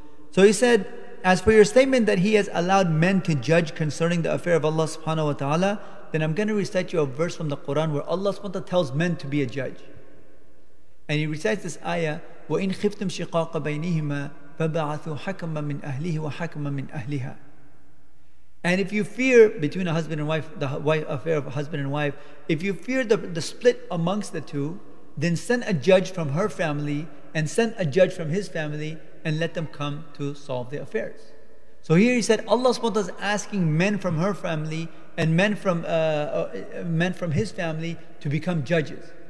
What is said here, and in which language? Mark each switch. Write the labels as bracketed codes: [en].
[en] So he said, as for your statement that he has allowed men to judge concerning the affair of Allah subhanahu wa ta'ala, then I'm going to recite you a verse from the Quran where Allah subhanahu wa ta'ala tells men to be a judge. And he recites this ayah, [ar] وَإِنْ خِفْتُمْ شِقَاقَ بَيْنِهِمَا فَبَعَثُوا حَكَمًا مِنْ أَهْلِهِ وَحَكَمًا مِنْ أَهْلِهَا. [en] And if you fear between a husband and wife, the wife affair of a husband and wife, if you fear the split amongst the two, then send a judge from her family and send a judge from his family and let them come to solve the affairs. So here he said, Allah subhanahu wa ta'ala is asking men from her family and men from his family to become judges.